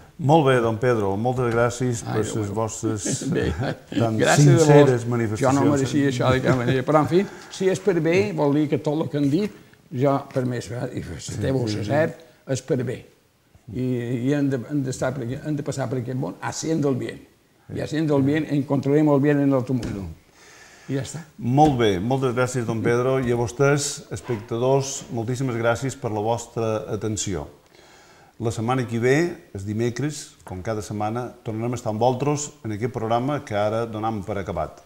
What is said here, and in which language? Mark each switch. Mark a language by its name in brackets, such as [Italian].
[Catalan] Molt bé, don Pedro, moltes gràcies per les vostres tan sinceres manifestacions. Jo no mereixia això de cap manera, però en fi, si és per bé, vol dir que tot el que han dit, jo, per més, i si té vos a cert, és per bé. I hem de passar per aquest món, [Spanish] haciendo el bien. I haciendo el bien, encontrarem el bien en el mundo. [Catalan] I ja està. Molt bé, moltes gràcies, don Pedro, i a vostès, espectadors, moltíssimes gràcies per la vostra atenció. La setmana que ve, el dimecres, com cada setmana, tornarem a estar amb vosaltres en aquest programa que ara donam per acabat.